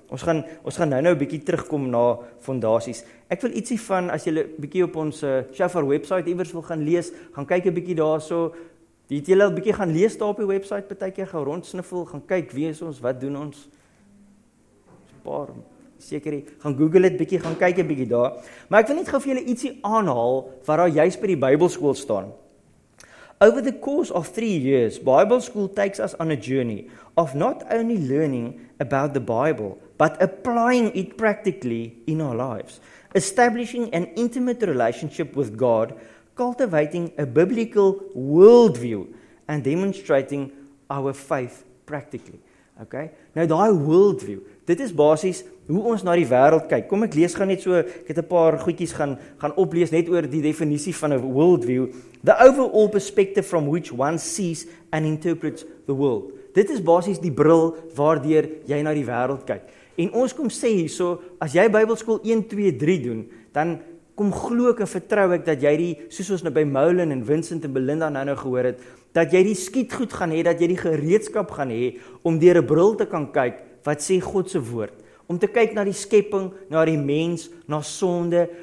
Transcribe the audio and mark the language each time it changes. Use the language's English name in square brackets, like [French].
[Afrikaans] Ons gaan nou 'n bietjie terugkom na fondasies. Ek wil ietsie van as julle bietjie op ons Shofar website iewers wil gaan lees, gaan kyk 'n bietjie daarso. Het julle al bietjie gaan lees daar op die website, partykeer gaan rondsniffel, gaan kyk wie is ons, wat doen ons? Paar, seker nie, gaan Google het bietjie, gaan kyk 'n bietjie daar, maar ek wil net gou vir julle ietsie aanhaal, wat daar juist by die Bybelskool staan. [English] Over the course of 3 years, Bible school takes us on a journey of not only learning about the Bible, but applying it practically in our lives, establishing an intimate relationship with God, cultivating a biblical worldview, and demonstrating our faith practically. Okay? [Afrikaans] Nou daai world view, dit is basies hoe ons na die wêreld kyk. Kom ek lees gaan net so, ek het 'n paar goedjies gaan oplees net oor die definisie van 'n world view. [English] The overall perspective from which one sees and interprets the world. [Afrikaans] Dit is basies die bril waardeur jy na die wêreld kyk. En ons kom sê hierso, as jy Bybelskool 1 2 3 doen, dan kom glo ek en vertrou ek dat jy die soos ons nou by Moulin en Vincent en Belinda nou gehoor het, dat jy die skietgoed gaan hê, dat jy die gereedskap gaan hê om deur 'n bril te kan kyk wat sê God se woord, om te kyk na die skepping, na die mens, na sonde.